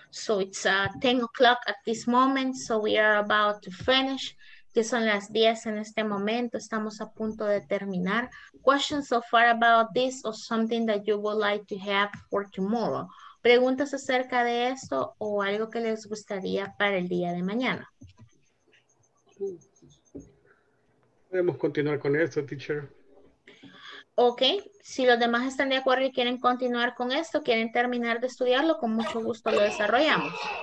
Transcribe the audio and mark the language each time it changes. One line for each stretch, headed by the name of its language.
English: So, it's 10 o'clock at this moment, so we are about to finish.
Spanish: Que son las 10 en este momento, estamos a punto de terminar.
English: Questions so far about this or something that you would like to have for tomorrow.
Spanish: Preguntas acerca de esto o algo que les gustaría para el día de mañana. Podemos continuar con esto, teacher. Ok, si los demás están de acuerdo y quieren continuar con esto, quieren terminar de estudiarlo, con mucho gusto lo desarrollamos.